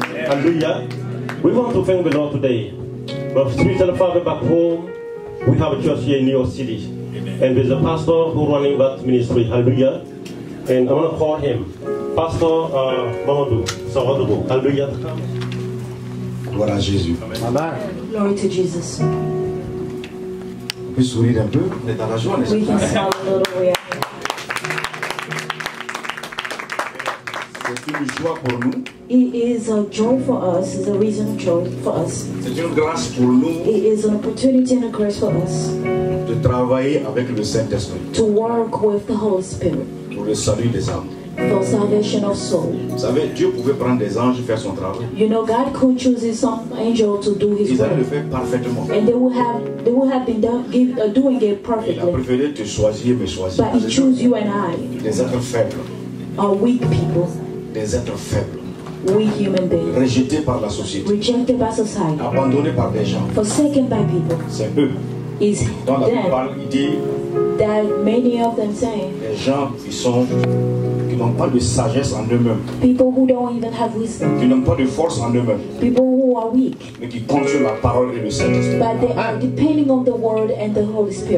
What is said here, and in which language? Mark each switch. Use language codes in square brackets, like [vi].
[en] Hallelujah. We want to thank the Lord today. But spiritual father back home, we have a church here in New York City. Amen. And there's a pastor who running that ministry. Hallelujah. And I'm going to call him Pastor Mamadou Sawadou. Hallelujah. [fr] Gloire à Jésus. [en] Glory to Jesus. [fr] On peut sourire un peu, on est dans la joie, n'est-ce pas? C'est une joie pour nous. [en] It is a joy for us. It's a reason of joy for us. [fr] C'est une grâce pour nous. [en] It is an opportunity and a grace for us. [fr] De travailler avec le Saint-Esprit. [en] To work with the Holy Spirit. [fr] Pour le salut des âmes. [en] For salvation of souls. [fr] Vous savez, Dieu pouvait prendre des anges et faire son travail. [en] You know, God could choose some angel to do his [fr] Ils Ils allaient le faire parfaitement. [en] And they would have been doing it perfectly. [fr] Il a préféré te choisir, me choisir. [en] But he chose you and I. [fr] Des êtres faibles. [en] Are weak people. [fr] Des êtres faibles. [en] Weak human beings. [fr] Rejetés par la société. [en] Rejected by society. [fr] Abandonnés par des gens. [en] Forsaken by people. [fr] C'est eux. [en] Is [fr] Dans [en] them. [fr] La plupart, il dit, [en] that many of them say. [fr] Les gens qui sont Qui n'ont pas de sagesse en eux-mêmes. [en] People who don't even have wisdom. [fr] Qui n'ont pas de force en eux-mêmes. [en] People who are weak. [fr] Mais qui comptent sur la parole et le Saint-Esprit. [en] But they are depending on the word and the Holy Spirit.